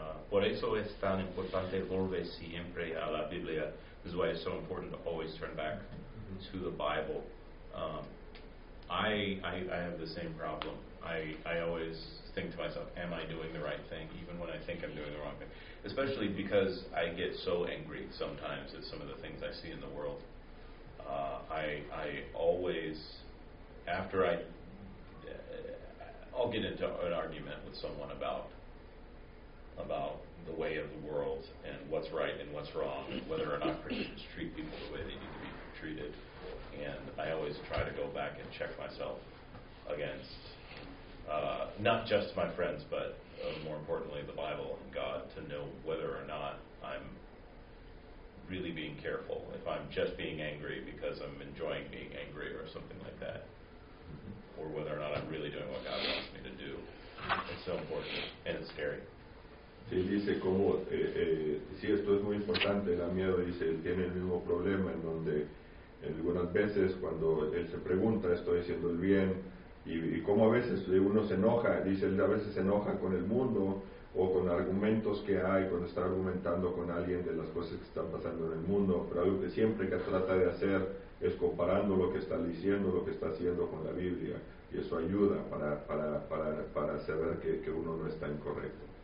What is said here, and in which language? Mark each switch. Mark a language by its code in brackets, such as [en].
[es] Por eso es tan importante volver siempre a la Biblia. [en] This is why it's so important to always turn back to the Bible. I have the same problem. I always think to myself, am I doing the right thing, even when I think I'm doing the wrong thing? Especially because I get so angry sometimes at some of the things I see in the world. I'll get into an argument with someone about the way of the world and what's right and what's wrong, whether or not Christians treat people the way they need to be treated. And I always try to go back and check myself against not just my friends, but more importantly, the Bible and God, to know whether or not I'm really being careful, if I'm just being angry because I'm enjoying being angry or something like that, mm-hmm. or whether or not I'm really doing what God wants me to do. It's so important, and it's scary. [es] Sí, dice cómo, sí, esto es muy importante, el miedo, dice, tiene el mismo problema en donde algunas veces cuando él se pregunta, estoy haciendo el bien, y cómo a veces uno se enoja, dice, él a veces se enoja con el mundo o con argumentos que hay, cuando está argumentando con alguien de las cosas que están pasando en el mundo, pero algo que siempre que trata de hacer es comparando lo que está diciendo, lo que está haciendo con la Biblia, y eso ayuda para saber que uno no está incorrecto.